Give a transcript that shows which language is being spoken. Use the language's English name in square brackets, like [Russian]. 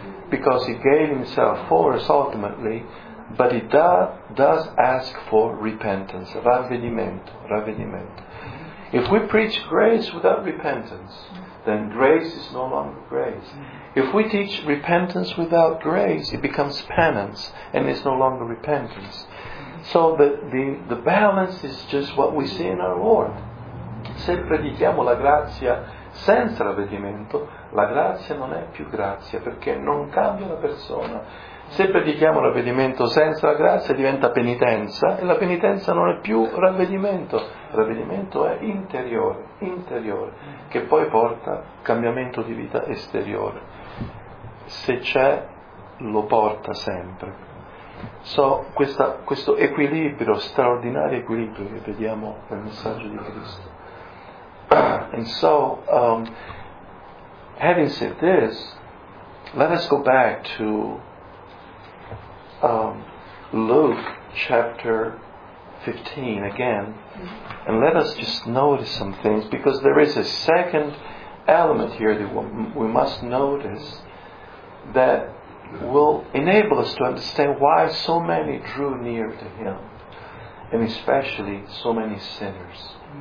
[English] Because he gave himself for us ultimately, but he does ask for repentance, ravvedimento. If we preach grace without repentance, then grace is no longer grace. If we teach repentance without grace, it becomes penance and it's no longer repentance. So the balance is just what we see in our Lord. [Italian] Se predichiamo la grazia senza ravvedimento, la grazia non è più grazia perché non cambia la persona. Se predichiamo ravvedimento senza la grazia diventa penitenza e la penitenza non è più ravvedimento. Il ravvedimento è interiore, interiore, che poi porta cambiamento di vita esteriore. Se c'è, lo porta sempre. So questo equilibrio, straordinario equilibrio che vediamo nel messaggio di Cristo. [English] And so, having said this, let us go back to Luke chapter 15 again, and let us just notice some things, because there is a second element here that we must notice that will enable us to understand why so many drew near to him, and especially so many sinners.